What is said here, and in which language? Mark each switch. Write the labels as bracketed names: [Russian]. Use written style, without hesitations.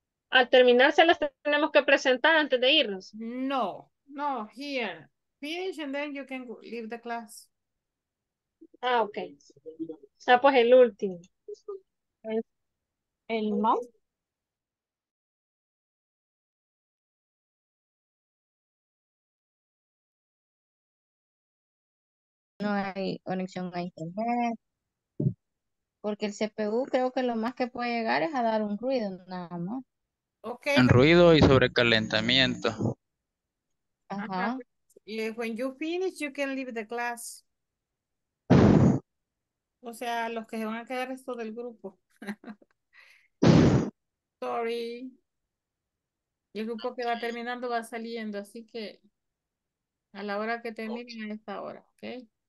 [Spanish] Al terminar, se las tenemos que presentar antes de irnos. [English] No, no, here. Finish and then you can leave the class. [Spanish] Ah, okay. Ah, pues el último. El mouse. No hay conexión a internet. Porque el CPU creo que lo más que puede llegar es a dar un ruido, nada más. Okay. En ruido y sobrecalentamiento. Ajá. [English] When you finish, you can leave the class. [Spanish] O sea, los que se van a quedar es todo el grupo. Sorry. Y el grupo que va terminando va saliendo, así que a la hora que terminen, okay. A esta hora, ¿ok?